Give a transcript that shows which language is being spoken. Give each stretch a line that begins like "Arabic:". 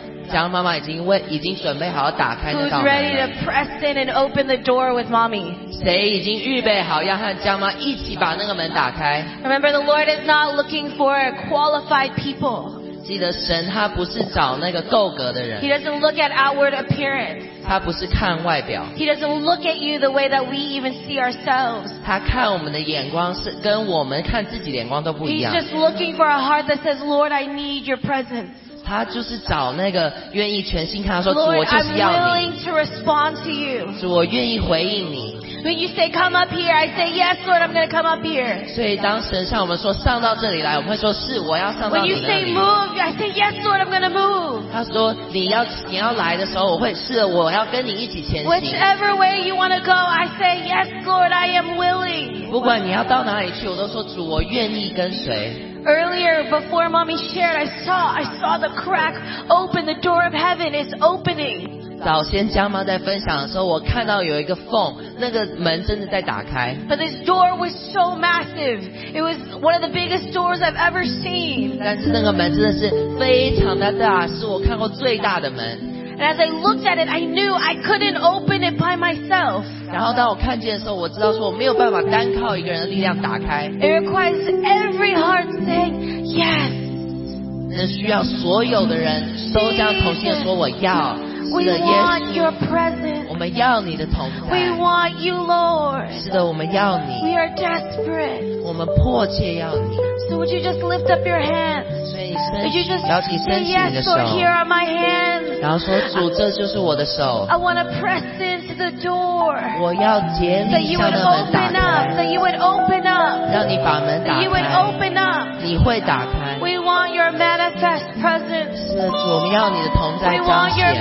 Chinese: 家妈妈已经准备好打开那道门了。
English: Who's ready to press in and open the door with mommy?
Chinese: 谁已经预备好要和家妈一起把那个门打开
English: ？Remember, the Lord is not looking for qualified people.
Chinese: 记得神他不是找那个够格的人。
English: He doesn't look at outward appearance.
Chinese: 他不是看外表。
English: He doesn't look at you the way that we even see ourselves.
Chinese: 他看我们的眼光是跟我们看自己的眼光都不一样。
English: He's just looking for a heart that says, Lord, I need your presence.
Chinese: 他就是找那个愿意全心看他说主我就是要你。
English: Lord, I'm willing to respond to you.
Chinese: 主我愿意回应你。
English: When you say come up here, I say yes, Lord, I'm going to come up here.
Chinese: 所以当神向我们说上到这里来，我们会说是我要上到你那里。
English: When you say move, I say yes, Lord, I'm going to move.
Chinese: 他说你要来的时候，我会是我要跟你一起前行。
English: Whichever way you want to go, I say yes, Lord, I am willing.
Chinese: 不管你要到哪里去，我都说主，我愿意跟随。
English: Earlier, before mommy shared, I saw the crack open. The door of heaven is opening.
Chinese: 早先江妈在分享的时候，我看到有一个缝，那个门真的在打开。
English: But this door was so massive. It was one of the biggest doors I've ever seen.
Chinese: 但是那个门真的是非常的大，是我看过最大的门。
English: And as I looked at it, I knew I couldn't open it by myself.
Chinese: 然后当我看见的时候，我知道说我没有办法单靠一个人的力量打开。
English: It requires every heart saying yes.
Chinese: 那需要所有的人都将同心说我要。
English: We want your presence.
Chinese: 我们要你的同在。
English: We want you, Lord.
Chinese: 是的，我们要你。
English: We are desperate.
Chinese: 我们迫切要你。
English: So would you just lift up your hands?
Chinese: 所以伸，邀请伸起你的手。
English: Say yes, Lord, here are my hands.
Chinese: 然后说，主，这就是我的手。
English: I want to press into the door.
Chinese: 我要竭力向那门打开。
English: That you would open up. That you would open up.
Chinese: 让你把门打开。
English: That you would open up.
Chinese: 你会打开。
English: We want your manifest presence.
Chinese: 是的，主，我们要你的同在彰显。